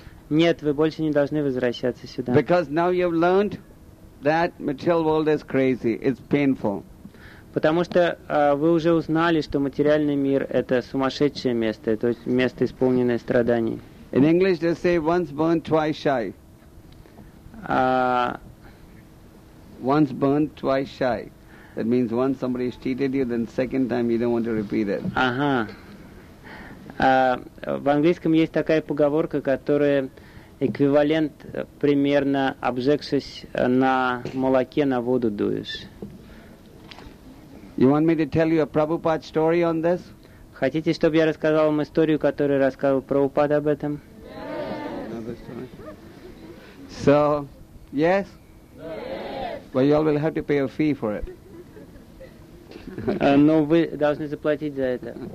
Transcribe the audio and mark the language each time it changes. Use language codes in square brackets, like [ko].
[ru] Нет, вы больше не должны возвращаться сюда. [en] Because now you've learned that material world is crazy, it's painful. [ru] Потому что вы уже узнали, что материальный мир — это сумасшедшее место, то есть место, исполненное страданий. [en] In English they say once burned, twice shy. Once burned, twice shy. That means once somebody has cheated you, then second time you don't want to repeat it. [ru] Ага. В английском есть такая поговорка, которая эквивалент примерно обжегшись на молоке, на воду дуешь. [en] You want me to tell you a Prabhupada story on this? [ru] Хотите, чтобы я рассказал вам историю, которую рассказывал Прабхупад об этом? [en] Yes. So, yes? Yes. Well, you all will have to pay a fee for it. [ru] Но вы должны заплатить за это.